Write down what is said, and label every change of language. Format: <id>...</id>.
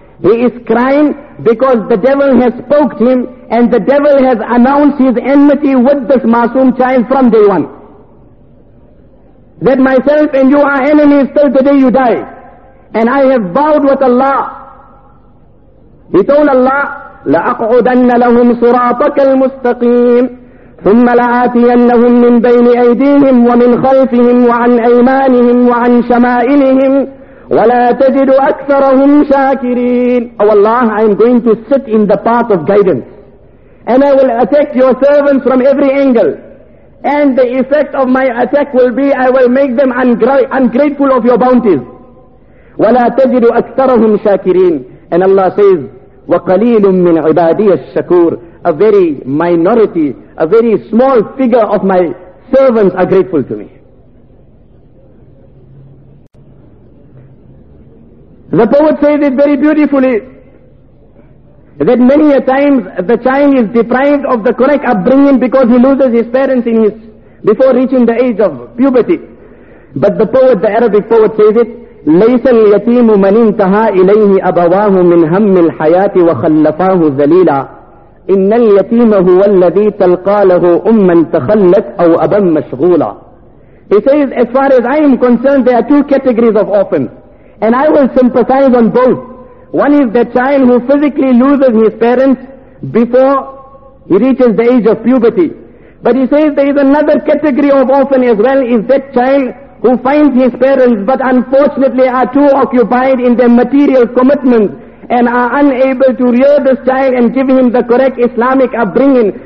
<en>He is crying because the devil has spoke him, and the devil has announced his enmity with this masoom child from day one. That myself and you are enemies till the day you die. And I have vowed with Allah. He told Allah,</en> <ar>لَأَقْعُدَنَّ لَهُمْ صُرَاطَكَ الْمُسْتَقِيمِ ثم لآتينهم من بين أيديهم ومن خلفهم وعن أيمانهم وعن شمائلهم ولا تجد أكثرهم شاكرين.</ar> <en>Oh Allah, I am going to sit in the path of guidance, and I will attack your servants from every angle, and the effect of my attack will be I will make them ungrateful of your bounties.</en> <ar>ولا تجد أكثرهم شاكرين.</ar> <en>And Allah says,</en> <ar>وقليل من عبادي الشكور.</ar> <en>A very minority, a very small figure of my servants are grateful to me. The poet says it very beautifully, that many a times the child is deprived of the correct upbringing because he loses his parents in his before reaching the age of puberty. But the poet, the Arabic poet, says it,</en> <ar>ليس اليتيم من انتهى إليه أبواه من هم الحياة وخلفاه ذليلا إن اليتيم هو الذي تلقى له أما تخلت أو أبا مشغولا.</ar> <en>He says, as far as I am concerned, there are two categories of orphans, and I will sympathize on both. One is the child who physically loses his parents before he reaches the age of puberty. But he says there is another category of orphan as well, is that child who finds his parents but unfortunately are too occupied in their material commitments and are unable to rear this child and give him the correct Islamic upbringing.</en>